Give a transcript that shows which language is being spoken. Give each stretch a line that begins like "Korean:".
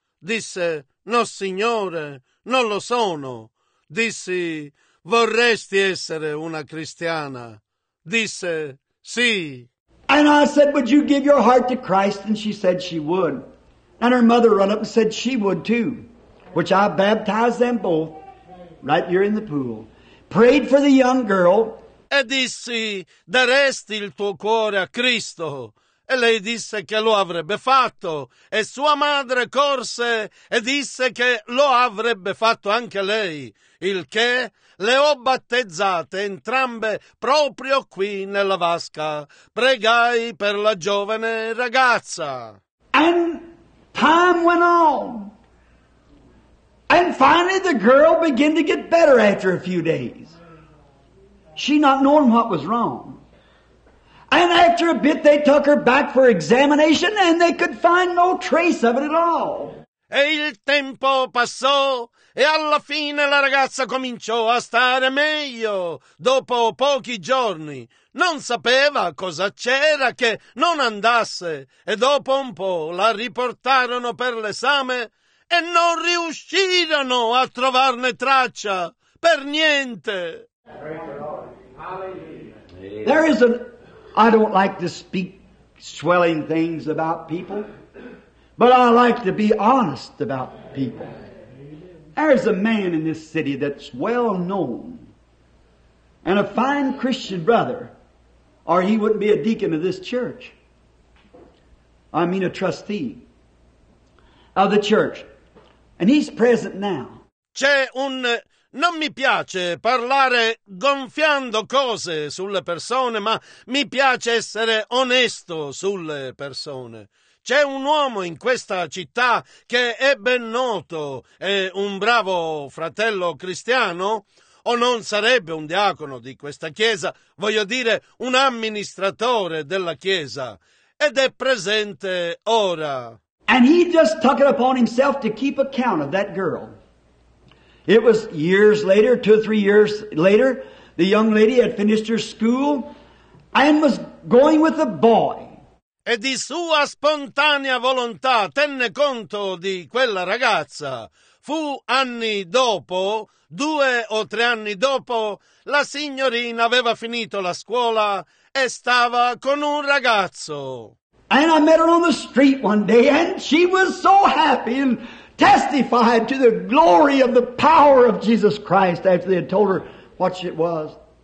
Italian: Disse, no signore, non lo sono. Dissi, vorresti essere una cristiana? Disse, sì.
English: And I said, would you give your heart to Christ? And she said she would. And her mother run up and said she would too. Which I baptized them both, right here in the pool. Prayed for the young girl.
Italian: E dissi, daresti il tuo cuore a Cristo? E lei disse che lo avrebbe fatto. E sua madre corse e disse che lo avrebbe fatto anche lei. Il che le ho battezzate entrambe proprio qui nella vasca. Pregai per la giovane ragazza.
English: And time went on. And finally the girl began to get better after a few days. She not knowing what was wrong. And after a bit they took her back for examination and they could find no trace of it at all.
Italian: E il tempo passò e alla fine la ragazza cominciò a stare meglio dopo pochi giorni. Non sapeva cosa c'era che non andasse e dopo un po' la riportarono per l'esame e non riuscirono a trovarne traccia per niente.
English: There is I don't like to speak swelling things about people, but I like to be honest about people. There is a man in this city that's well known and a fine Christian brother, or he wouldn't be a deacon of this church. I mean a trustee of the church. And he's present now.
Italian: C'è un... Non mi piace parlare gonfiando cose sulle persone, ma mi piace essere onesto sulle persone. C'è un uomo in questa città che è ben noto, è un bravo fratello cristiano, o non sarebbe un diacono di questa chiesa, voglio dire un amministratore della chiesa, ed è presente ora.
English: And he just took it upon himself to keep account of that girl. It was years later, two or three years later, the young lady had finished her school and was going with a boy.
Italian: E di sua spontanea volontà tenne conto di quella ragazza. Fu anni dopo, due o tre anni dopo, la signorina aveva finito la scuola e stava con un ragazzo.
English: And I met her on the street one day and she was so happy and testified to the glory of the power of Jesus Christ after they had told her what it was.